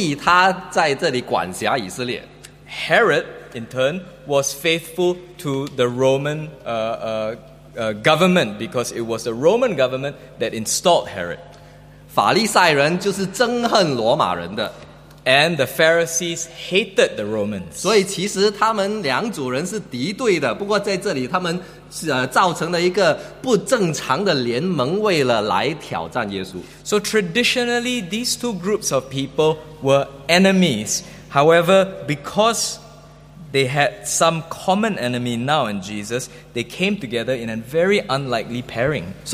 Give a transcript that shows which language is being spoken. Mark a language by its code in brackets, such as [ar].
[zh] 希律呢，则是效忠罗马王的，因为是罗马王立他在这里管辖以色列。 [en] Herod, in turn, was faithful to the Roman government because it was the Roman government that installed Herod. [zh] 法利赛人就是憎恨罗马人的。 [en] And the Pharisees hated the Romans. [zh] 所以其实他们两组人是敌对的，不过在这里他们是造成了一个不正常的联盟，为了来挑战耶稣。 [en] So traditionally, these two groups of people were enemies. However, because they had some common enemy now in Jesus, they came together in a very unlikely pairing.